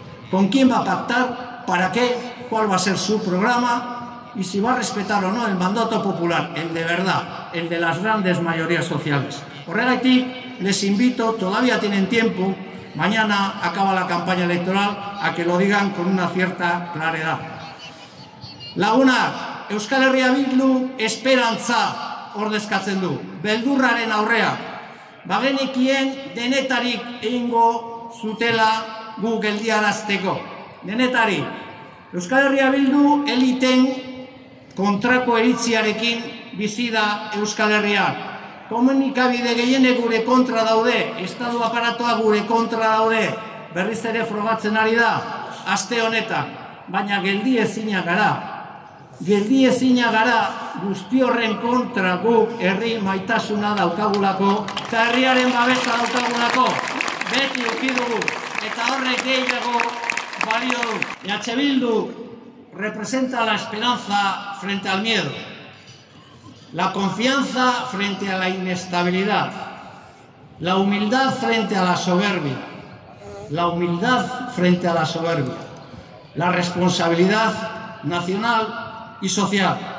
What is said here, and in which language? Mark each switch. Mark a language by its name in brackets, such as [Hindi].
[Spanish] ¿Con quién va a pactar? ¿Para qué? ¿Cuál va a ser su programa? Y si va a respetar o no el mandato popular, el de verdad, el de las grandes mayorías sociales. Horregatik, les invito, todavía tienen tiempo, mañana acaba la campaña electoral, a que lo digan con una cierta claridad. [Basque] Laguna, Euskal Herria Bildu esperantza ordezkatzen du, beldurraren aurrea. Bagenekien denetarik egingo zutela gu geldiarazteko. Denetarik. Euskal Herria Bildu eliten kontrako eritziarekin bizi da Euskal Herria. Komunikabide gehiene gure kontra daude, estatu aparatoa gure kontra daude, berriz ere frogatzen ari da, aste honetan, baina geldi ezinak gara. Geldi ezina gara guzti horren kontra guk herri maitasuna daukagulako, eta herriaren babesa daukagulako, beti ukidugu, eta horrek gehiago balio du. [Spanish] EH Bildu representa la esperanza frente al miedo, la confianza frente a la inestabilidad, la humildad frente a la soberbia, la humildad frente a la soberbia, la responsabilidad nacional y social.